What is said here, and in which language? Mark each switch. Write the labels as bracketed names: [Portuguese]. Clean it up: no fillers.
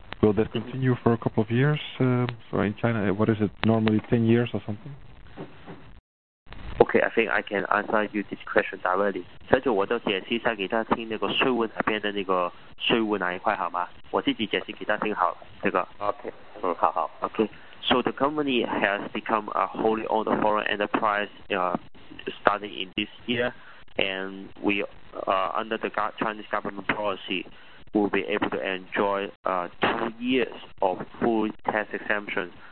[English] Will that continue for a couple of years? So in China, what is it, normally 10 years or something? Okay, I think I can answer you this question directly. [Chinese] 接着我就解释一下给大家听那个税务那边的那个税务哪一块好吗？我自己解释给大家听好了，这个。 [English] Okay, [Chinese] 好好。 [English] Okay. So the company has become a wholly owned foreign enterprise starting in this year, and we, under the Chinese government policy, will be able to enjoy 2 years of full tax exemption.